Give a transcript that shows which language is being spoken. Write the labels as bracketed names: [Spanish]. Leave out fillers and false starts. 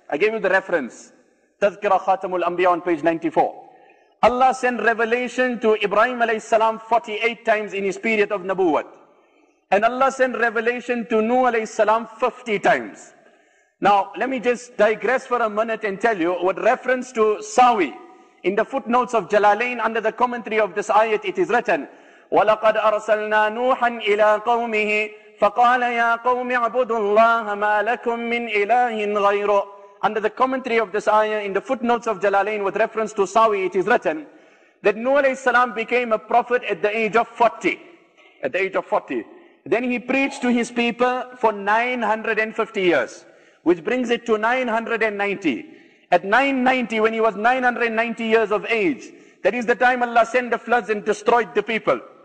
[English] I gave you the reference. Tazkira Khatamul Anbiya on page 94. Allah sent revelation to Ibrahim alayhi salam 48 times in his period of Nabuwat. And Allah sent revelation to Nuh alayhi salam 50 times. Now, let me just digress for a minute and tell you what reference to Sawi. In the footnotes of Jalalain, under the commentary of this ayat, it is written, [Arabic] وَلَقَدْ أَرْسَلْنَا نُوحًا إِلَىٰ قَوْمِهِ فَقَالَ يَا قَوْمِ عَبُدُ اللَّهَ مَا لَكُمْ مِنْ إِلَٰهٍ غَيْرُ. [English] Under the commentary of this ayah, in the footnotes of Jalalain, with reference to Sawi, it is written that Nuh alayhi salam became a prophet at the age of 40. At the age of 40. Then he preached to his people for 950 years. which brings it to 990. At 990, when he was 990 years of age, that is the time Allah sent the floods and destroyed the people.